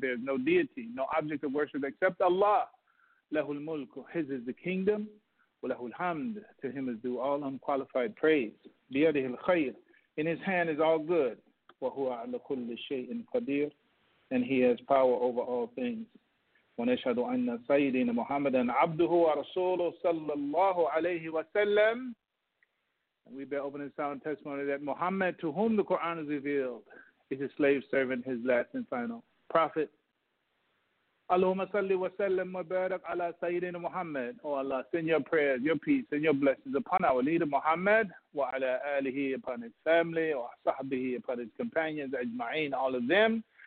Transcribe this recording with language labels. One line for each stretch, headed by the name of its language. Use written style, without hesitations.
English: There is no deity, no object of worship except Allah.
Arabic: Lahul mulk,
English: His is the kingdom.
Arabic: Lahul hamd,
English: to Him is due all unqualified praise.
Arabic: Bi yadihi al-khayr,
English: in His hand is all good.
Arabic: Wa huwa ala kulli shay'in qadir,
English: and He has power over all things.
Arabic: ونشهد أن سيدنا محمدًا عبده ورسوله صلى الله عليه وسلم.
English: We bear open and sound testimony that Muhammad, to whom the Quran is revealed, is his slave servant, his last and final prophet.
Arabic: اللهم صل وسلم وبارك على سيدنا محمد.
English: O Allah, send your prayers, your peace, and your blessings upon our leader Muhammad,
Arabic: وعلى آله,
English: upon his family,
Arabic: وصحبه,
English: upon his companions,
Arabic: أجمعين,
English: all of them.